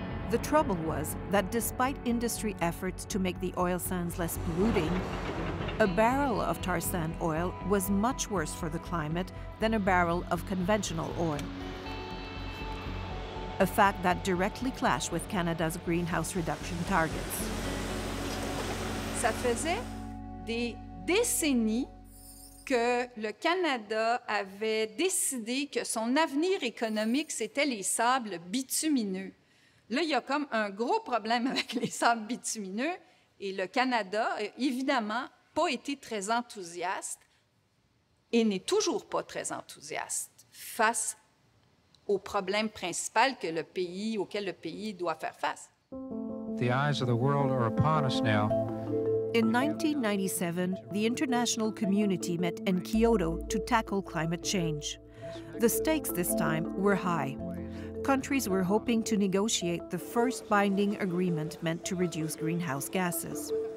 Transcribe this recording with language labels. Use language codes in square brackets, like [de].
[en] The trouble was that despite industry efforts to make the oil sands less polluting, a barrel of tar sand oil was much worse for the climate than a barrel of conventional oil. A fact that directly clashed with Canada's greenhouse reduction targets. [fr] Ça faisait des décennies que le Canada avait décidé que son avenir économique c'était les sables bitumineux. Là, il y a comme un gros problème avec les sables bitumineux et le Canada, évidemment, pas été très enthousiaste et n'est toujours pas très enthousiaste face au problème principal que le pays, auquel le pays doit faire face. [en] The eyes of the world are upon us now. In 1997, the international community met in Kyoto to tackle climate change. The stakes this time were high. Countries were hoping to negotiate the first binding agreement meant to reduce greenhouse gases.